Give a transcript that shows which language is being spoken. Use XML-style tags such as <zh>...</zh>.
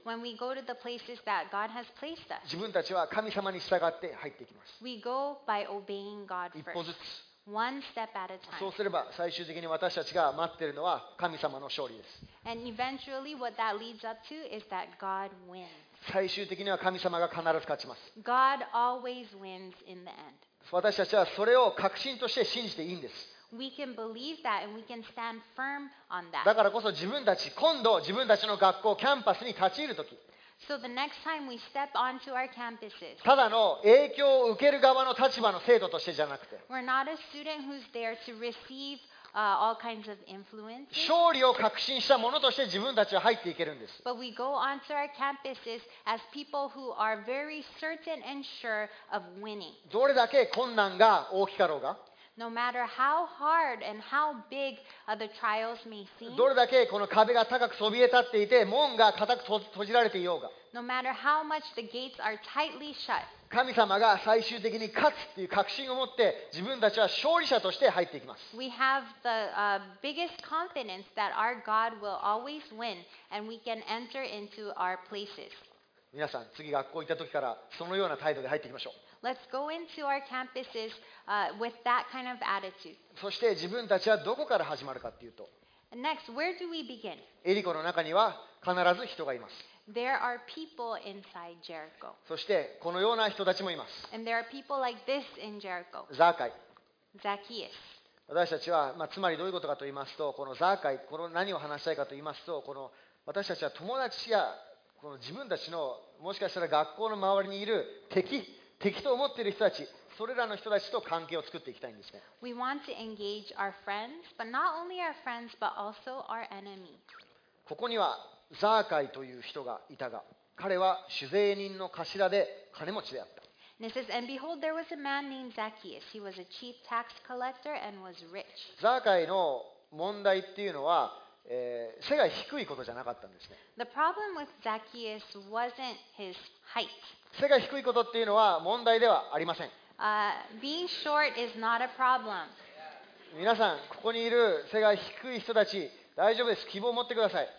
<en>When we go to the places that God has placed us,</en> <ja>自分たちは神様に従って入っていきます。</ja> <en>We go by obeying God first.</en> <ja>一歩ずつ。</ja> <en>One step at a time.</en> <ja>そうすれば最終的に私たちが待っているのは神様の勝利です。</ja> <en>And eventually what that leads up to is that God wins.</en> <ja>最終的には神様が必ず勝ちます。</ja> <en>God always wins in the end.</en> <ja>私たちはそれを確信として信じていいんです。</ja> <en>We can believe that and we can stand firm on that.</en> <ja>だからこそ自分たち、今度自分たちの学校、キャンパスに立ち入るとき、</ja> <en>So the next time we step onto our campuses,</en> <ja>ただの影響を受ける側の立場の生徒としてじゃなくて、</ja> <en>We're not a student who's there to receive, all kinds of influences.</en> <ja>勝利を確信した者として自分たちは入っていけるんです。</ja> <en>But we go onto our campuses as people who are very certain and sure of winning.</en> <ja>どれだけ困難が大きかろうが、</ja> <en>No matter how hard and how big the trials may seem,</en> <ja>どれだけこの壁が高くそびえ立っていて門が固く閉じられていようが、</ja> <en>No matter how much the gates are tightly shut,</en> <ja>神様が最終的に勝つという確信を持って自分たちは勝利者として入っていきます。</ja> <en>We have the biggest confidence that our God will always win and we can enter into our places.</en> <ja>皆さん、次学校行った時からそのような態度で入っていきましょう。</ja> <en>Let's go into our campuses with that kind of attitude.</en> <ja>そして自分たちはどこから始まるかというと、</ja> <en>Next, where do we begin?</en> <ja>エリコの中には必ず人がいます。</ja> <en>There are people inside Jericho.</en> <ja>そしてこのような人たちもいます。</ja> <en>And there are people like this in Jericho.</en> <ja>ザーカイ。</ja> <en>Zacchaeus.</en> <ja>私たちは、まあ、つまりどういうことかと言いますと、このザーカイ、この何を話したいかと言いますと、この私たちは友達やこの自分たちのもしかしたら学校の周りにいる敵、敵と思っている人たち、それらの人たちと関係を作っていきたいんですね。</ja> <en>We want to engage our friends, but not only our friends, but also our enemies.</en> <ja>ここにはザーカイという人がいたが、彼は酒税人の頭で金持ちであった。</ja> <en>And it says, and behold, there was a man named Zacchaeus. He was a chief tax collector and was rich.</en> <ja>ザーカイの問題っていうのは、背が低いことじゃなかったんですね。</ja> <en>The problem with Zacchaeus wasn't his height.</en> <ja>背が低いことっていうのは問題ではありません。</ja> <en>Being short is not a problem.</en> <ja>皆さん、ここにいる背が低い人たち、大丈夫です。希望を持ってください。</ja>